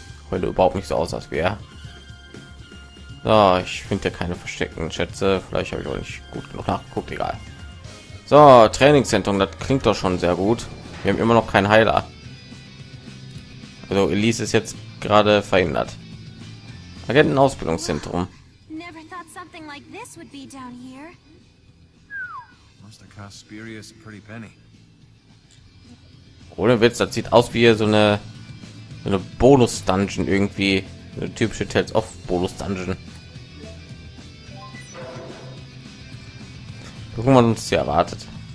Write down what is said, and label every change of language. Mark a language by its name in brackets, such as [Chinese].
[German] Heute überhaupt nicht so aus, als wäre. So, ich finde ja keine versteckten Schätze. Vielleicht habe ich auch nicht gut genug nachgeguckt, egal. So, Trainingszentrum, das klingt doch schon sehr gut. Wir haben immer noch keinen Heiler. Also Elise ist jetzt gerade verhindert. Agentenausbildungszentrum. [English] Never thought something like this would be down here. Must have cost Spurious a pretty penny. [German] Ohne Witz, das sieht aus wie so eine Bonus-Dungeon irgendwie. Eine typische Tales of Bonus-Dungeon. Gucken wir, was uns hier erwartet.